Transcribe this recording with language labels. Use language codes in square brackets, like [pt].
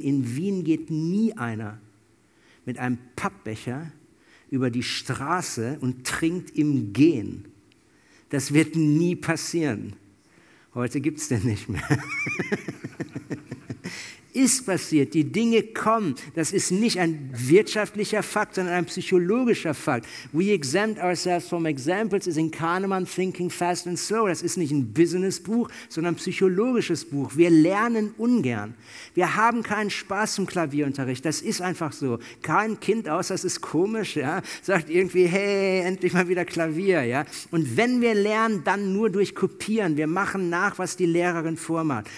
[de] In Wien geht nie einer mit einem Pappbecher über die Straße und trinkt im Gehen. Das wird nie passieren. Heute gibt es den nicht mehr. Ist passiert, die Dinge kommen. Das ist nicht ein wirtschaftlicher Fakt, sondern ein psychologischer Fakt. [en] We exempt ourselves from examples is in Kahneman Thinking Fast and Slow. [de] Das ist nicht ein Business-Buch, sondern ein psychologisches Buch. Wir lernen ungern. Wir haben keinen Spaß zum Klavierunterricht. Das ist einfach so. Kein Kind, außer es ist komisch, ja, sagt irgendwie, hey, endlich mal wieder Klavier. Ja. Und wenn wir lernen, dann nur durch Kopieren. Wir machen nach, was die Lehrerin vormacht.